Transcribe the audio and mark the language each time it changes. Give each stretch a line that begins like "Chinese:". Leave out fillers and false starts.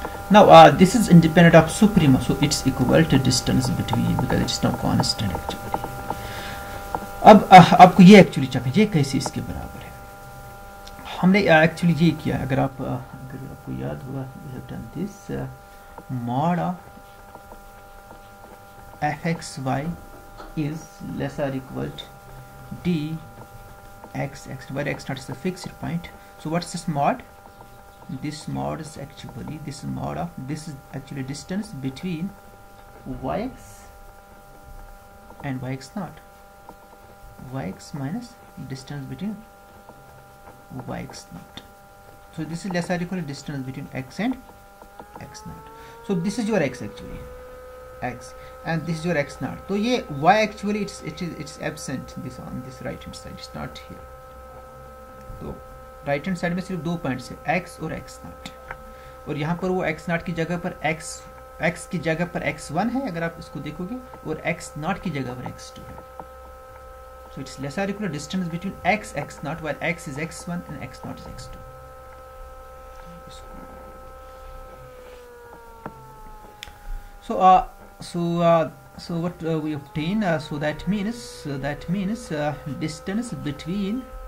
English: Now this is independent of supremum, so it's equal to distance between because it's not constant actually.
Hindi: अब आपको ये actually चाहिए, ये कैसे इसके बराबर है? हमने actually ये किया, अगर आपको याद होगा,
English: we have done this mod of fxy is less or equal to d x x where x not is a fixed point. So what's this mod? This mod is actually this mod of this is actually distance between yx and yx naught. Yx minus distance between yx naught. So this is less or equal to distance between x and x naught. So this is your x actually. X and this is your x naught. So yeah, y actually it's absent this on this right hand side, it's not here.
Hindi: So right hand side में सिर्फ दो point है x और x not और यहाँ पर वो x not की जगह पर एक्स एक्स की जगह पर एक्स वन है अगर आप इसको देखोगे और एक्स नॉट की जगह पर एक्स टू है
English: so it's less equal to distance between x x naught while x is x one and x naught is x two so what we obtain so that means distance between